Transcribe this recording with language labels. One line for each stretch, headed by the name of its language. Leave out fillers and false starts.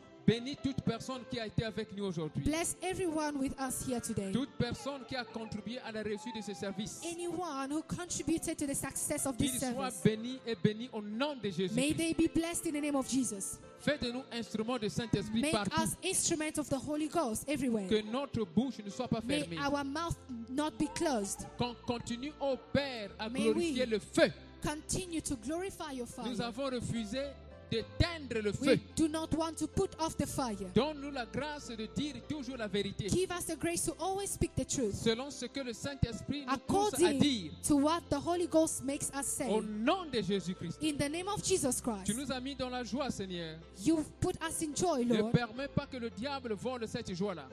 French: Bénis toute personne qui a été avec nous aujourd'hui.
English: Bless everyone with us here today.
French: Toute personne qui a contribué à la réussite de ce service.
English: Anyone who contributed to the success of this service.
French: Qu'ils soient bénis et bénis au nom de Jésus.
English: May they be blessed in the name of Jesus.
French: Faites-nous instruments de Saint-Esprit partout.
English: Make us instruments of the Holy Ghost everywhere.
French: Que notre bouche ne soit pas fermée.
English: May our mouth not be closed.
French: Qu'on continue, ô Père, à glorifier le feu.
English: Continue to glorify your fire.
French: Nous avons refusé d'éteindre le
English: we
French: feu.
English: Do not want to put off the fire.
French: Donne-nous la grâce de dire toujours la vérité.
English: Give us the grace to always speak the truth.
French: Selon ce que le Saint-Esprit nous pousse à dire.
English: To what the Holy Ghost makes us say.
French: Au nom de Jésus-Christ.
English: In the name of Jesus Christ.
French: Tu nous as mis dans la joie, Seigneur.
English: You've put us in joy, Lord.
French: Ne permets pas que le diable vole cette joie-là.